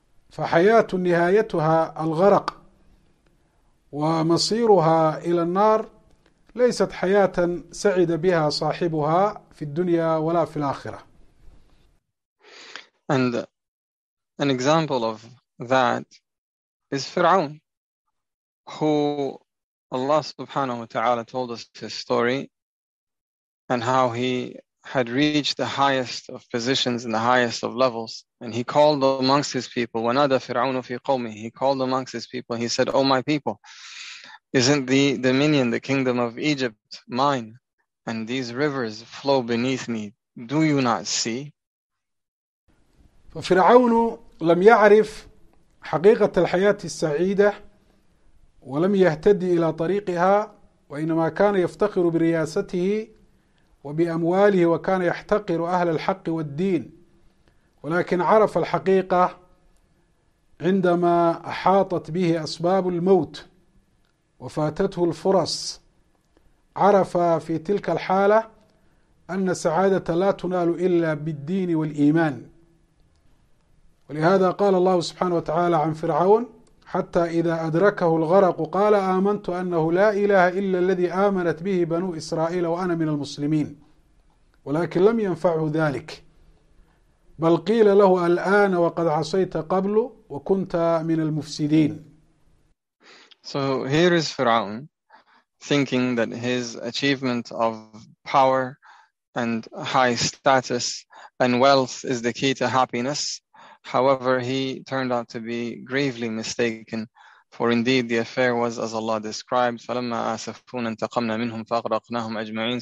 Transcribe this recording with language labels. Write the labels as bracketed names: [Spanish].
[Arabic] فحياة نهايتها الغرق ومصيرها إلى النار ليست حياة سعد بها صاحبها في الدنيا ولا في الآخرة. [English] And an example of that is Fir'aun, who Allah subhanahu wa ta'ala told us his story and how he had reached the highest of positions and the highest of levels. And he called amongst his people, [Arabic] وَنَادَ فِرْعَوْنُ فِي قَوْمِهِ. [English] He called amongst his people, he said, oh my people, isn't the dominion, the kingdom of Egypt mine? And these rivers flow beneath me. Do you not see? [Arabic] فِرْعَوْنُ لَمْ يَعْرِفْ حقيقة الحياة السعيدة ولم يهتدي إلى طريقها وإنما كان يفتخر برياسته وبأمواله وكان يحتقر أهل الحق والدين ولكن عرف الحقيقة عندما أحاطت به أسباب الموت وفاتته الفرص عرف في تلك الحالة أن السعادة لا تنال إلا بالدين والإيمان ولهذا قال الله سبحانه وتعالى عن فرعون حتى إذا أدركه الغرق قال آمنت أنه لا إله إلا الذي آمنت به بنو إسرائيل وأنا من المسلمين ولكن لم ينفعه ذلك بل قيل له الآن وقد عصيت قبل وكنت من المفسدين. [English] So here is Fir'aun thinking that his achievement of power and high status and wealth is the key to happiness. However, he turned out to be gravely mistaken, for indeed the affair was as Allah described, [Arabic] فَلَمَّا أَسَفْتُونَ انْتَقَمْنَا مِنْهُمْ فَأَغْرَقْنَاهُمْ أَجْمَعِينَ.